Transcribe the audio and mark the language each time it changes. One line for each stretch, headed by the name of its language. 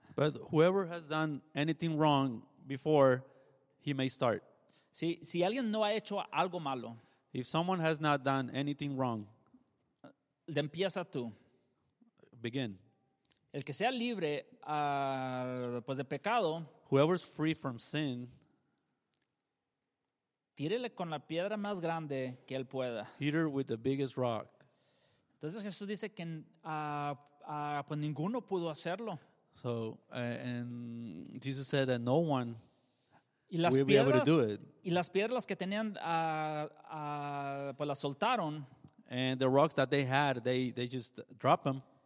English: But whoever has done anything wrong before, he may start.
Spanish: Si alguien no ha hecho algo malo,
English: if someone has not done anything wrong,
Spanish: de empieza tú.
English: Begin.
Spanish: El que sea libre pues de pecado,
English: whoever's free from sin,
Spanish: tírele con la piedra más grande que él pueda.
English: Hit her with the biggest rock.
Spanish: Entonces Jesús dice que pues ninguno pudo hacerlo.
English: So and Jesus said that no one would be able to do it.
Spanish: Y las piedras que tenían pues las soltaron.
English: And the rocks that they had, they just dropped them.